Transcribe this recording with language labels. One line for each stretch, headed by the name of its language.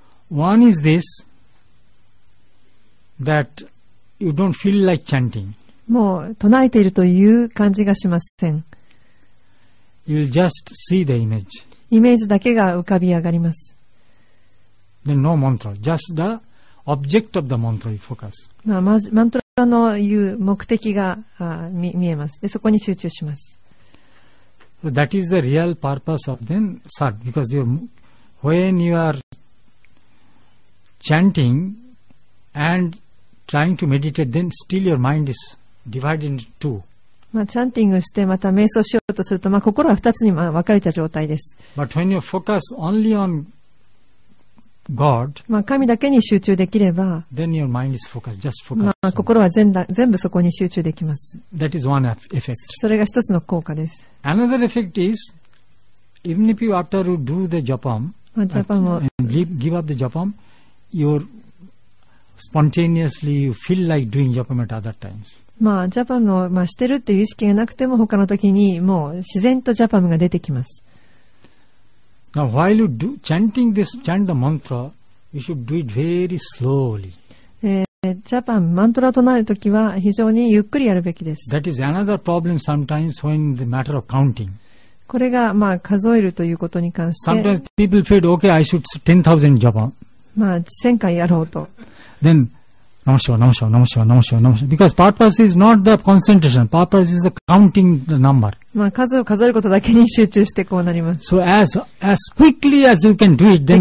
English: One is this, that you don't feel like chanting.
Japanese: もう唱えているという感じがしません。
English: You'll just see the image.
Japanese: イメージだけが浮かび上がります。
English: Then no mantra, just the object of the mantra you focus.
Japanese: まあ、マントラの言う目的が見えます。で、そこに集中します。
English: So、that is the real purpose of then, sir, because when you areChanting and trying to meditate, then still your mind is divided into two.
Japanese: まあ、チャンティングしてまた瞑想しようとすると、まあ、心は二つに分かれた状態です。
English: But when you focus only on God,
Japanese: まあ、神だけに集中できれば、
English: then your mind is focused, just focused.
Japanese: まあ、心は全部そこに集中できます。
English: That is one effect.
Japanese: それが一つの効果です。
English: Another effect is, even if you after you do the japam,
Japanese: まあ、ジャパンを、
English: and give up the japam,You're spontaneously you feel like doing japam at other times.
Japanese: まあ、ジャパムを、まあ、してるっていう意識がなくても他の時にもう自然とジャパムが出てきます。
English: Now while you do chanting this chant the mantra, you should do it very slowly.
Japanese: ジャパムマントラを唱える時は非常にゆっくりやるべきです。
English: That is another problem sometimes when the matter of counting.
Japanese: これがまあ数えるということに関して。
English: Sometimes people feel okay, I should 10,000 japam.
Japanese: まあ、1000回やろうと。
English: Then, namashiva, namashiva, namashiva, namashiva, namashiva. Because purpose is not the concentration. Purpose is the counting the number.
Japanese: まあ、数を数えることだけに集中してこうなります。
English: So as quickly as you can do it, then